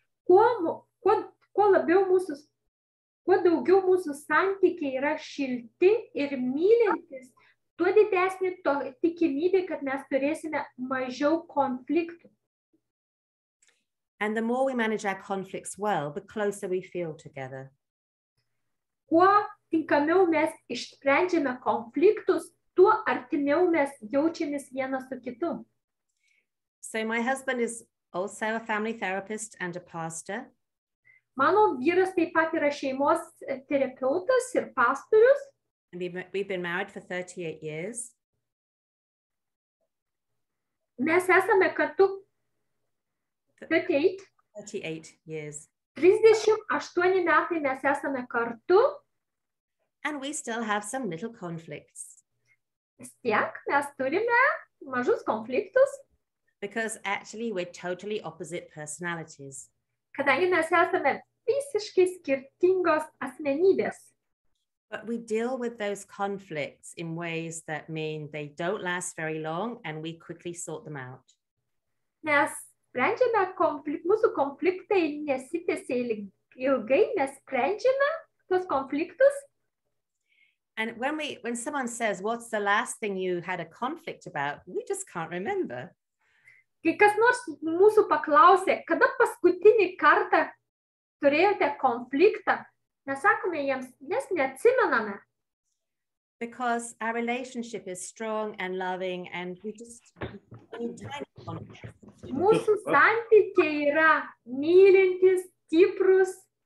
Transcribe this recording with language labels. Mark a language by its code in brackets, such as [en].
[lt] Kuo daugiau mūsų santykiai yra šilti ir mylintis, tuo didesnė to tikimybė, kad mes turėsime mažiau konfliktų. [en] And the more we manage our conflicts well, the closer we feel together. [lt] Kuo tinkamiau mes išsprendžiame konfliktus, tuo artimiau mes jaučiamės vienas su kitu. [en] So my husband is also a family therapist and a pastor. [lt] Mano vyras taip pat yra šeimos terapeutas ir pastorius. [en] And we've been married for 38 years. [lt] Mes esame kartu [en] 38 years. [lt] 38 metai mes esame kartu. [en] And we still have some little conflicts. [lt] Tiek mes turime mažus konfliktus. [en] Because actually we're totally opposite personalities. [lt] Kadangi mes esame visiškai skirtingos asmenybės. [en] But we deal with those conflicts in ways that mean they don't last very long and we quickly sort them out. [lt] Mes sprendžiame mūsų konfliktai nesitėsi ilgai, mes sprendžiame tos konfliktus. [en] And when someone says, what's the last thing you had a conflict about, we just can't remember. [lt] Kai kas nors mūsų paklausė, kada paskutinį kartą turėjote konfliktą, mes sakome jiems, mes neatsimename. [en] Because our relationship is strong and loving and we just tiny conflicts. [lt] Mūsų santykiai yra mylintis, stiprus.